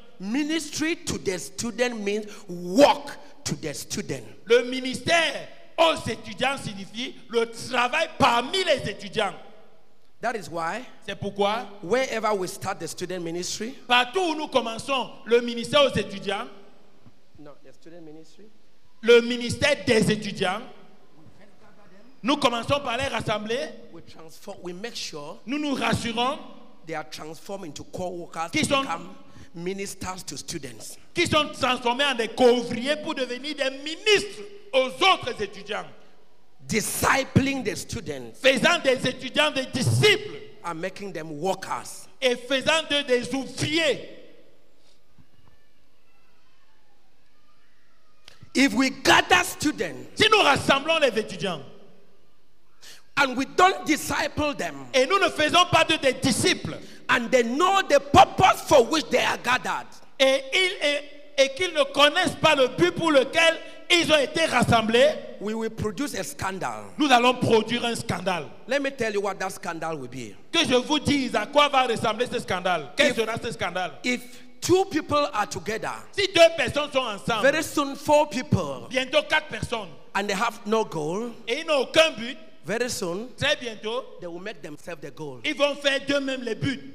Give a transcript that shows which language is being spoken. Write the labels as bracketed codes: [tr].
[en] Ministry to the student means work to the student. [fr] Le ministère aux étudiants signifie le travail parmi les étudiants. [en] That is why. [fr] C'est pourquoi. [en] Wherever we start the student ministry. [fr] Partout où nous commençons le ministère aux étudiants. [en] No, the student ministry. [fr] Le ministère des étudiants. Nous commençons par les rassembler. Nous nous rassurons. [en] They are transformed into co-workers to become ministers to students. [fr] Qui sont transformés en des co-ouvriers pour devenir des ministres aux autres étudiants. [en] Discipling the students. [fr] Faisant des étudiants des disciples. [en] And making them workers. [fr] Et faisant d'eux des ouvriers. [en] If we gather students. [fr] Si nous rassemblons les étudiants. [en] And we don't disciple them. [fr] Et nous ne faisons pas de des disciples. [en] And they know the purpose for which they are gathered. [fr] Et qu'ils ne connaissent pas le but pour lequel ils ont été rassemblés. [en] We will produce a scandal. [fr] Nous allons produire un scandale. [en] Let me tell you what that scandal will be. [fr] Que je vous dise à quoi va ressembler ce scandale. Quel sera ce scandale? [en] If two people are together. [fr] Si deux personnes sont ensemble. [en] Very soon four people. [fr] Bientôt quatre personnes. [en] And they have no goal. [fr] Et ils n'ont aucun but. [en] Very soon, [fr] très bientôt, [en] they will make themselves the goal. [fr] Ils vont faire d'eux-mêmes les buts.